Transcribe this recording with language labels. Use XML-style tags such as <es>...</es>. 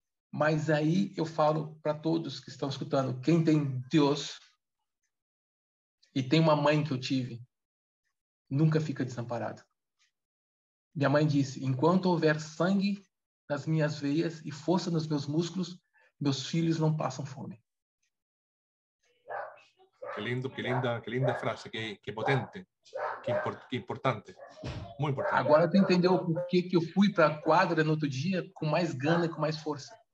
<pt>Mas aí eu falo para todos que estão escutando: quem tem Deus e tem uma mãe que eu tive, nunca fica desamparado. Minha mãe disse: enquanto houver sangue nas minhas veias e força nos meus músculos, meus filhos não passam fome.</pt> <es>Qué lindo, qué linda frase, qué potente, qué importante, muy importante.</es> <pt>Agora tu entendeu por que que eu fui para a quadra no outro dia com mais gana e com mais força.</pt>